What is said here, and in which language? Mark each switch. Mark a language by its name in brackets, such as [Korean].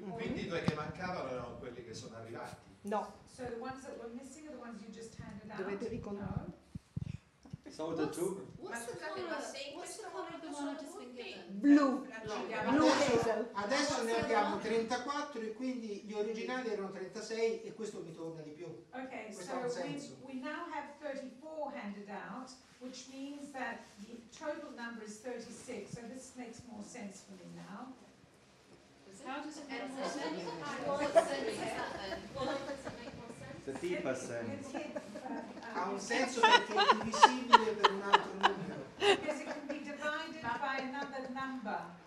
[Italian] Quindi due che mancavano erano quelli che sono arrivati. No. [English] So the ones that were missing are the ones you just handed out. [Italian] Dovete ricontare. [English] So the two. What's the color of the one I've just been given? Blue. [Italian] Adesso ne abbiamo 34 e quindi gli originali erano 36 e questo mi torna di più. [English] Okay, [Italian] questo [English] so we now have 34 handed out, which means that the total number is 36. So this makes more sense for me now. How does it make more sense? The deeper sense. [Italian] Ha un senso perché è divisibile per un altro numero. [English] Because it can be divided by another number.